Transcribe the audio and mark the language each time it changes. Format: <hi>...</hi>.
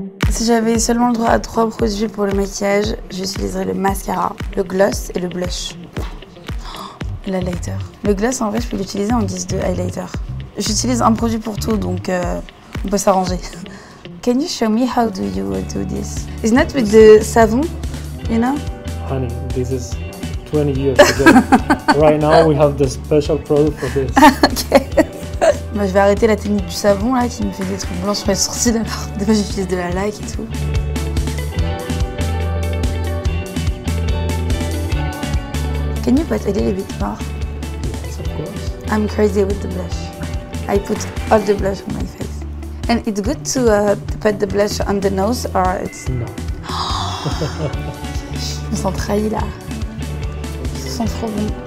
<fr>Si j'avais seulement le droit à 3 produits pour le maquillage, j'utiliserais le mascara, le gloss et le blush. Oh, la lighter. Le gloss, en vrai, je peux l'utiliser en guise de highlighter. J'utilise un produit pour tout, donc on peut s'arranger.</fr> <en>Can you show me how do you do this? It's not with the savon, you know? Honey, this is 20 years ago. Right now, we have the special product for this.</en> <fr>Bah, je vais arrêter la technique du savon là qui me fait des trucs blancs sur mes sourcils. Des fois j'utilise de la laque et tout.</fr> <en>Can you put a little bit more? Yes, of course. I'm crazy with the blush. I put all the blush on my face. And it's good to put the blush on the nose or it's...</en> <fr>Non. Je me sens trahie là. Je me sens trop bon.</fr>